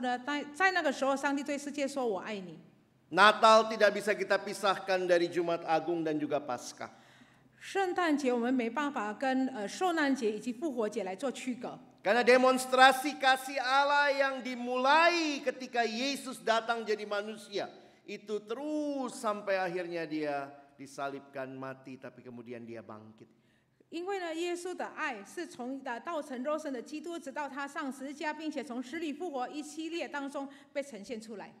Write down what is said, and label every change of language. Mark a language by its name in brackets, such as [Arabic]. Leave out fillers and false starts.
[Chinese] 我引用了格雷汉牧师的一句话，上帝透过十字架来证明他的爱，当耶稣被悬挂流血甚至死的时候呢，在那个时候上帝对世界说我爱你。 [Indonesian] Natal tidak bisa kita pisahkan dari Jumat Agung dan juga Paskah. [Chinese] 圣诞节我们没办法跟受难节以及复活节来做区隔。 [Indonesian] Karena demonstrasi kasih Allah yang dimulai ketika Yesus datang jadi manusia itu terus sampai akhirnya dia disalibkan mati tapi kemudian dia bangkit. [Chinese] 因为呢，耶稣的爱是从道成肉身的基督，直到他上十字架，并且从死里复活一系列当中被呈现出来。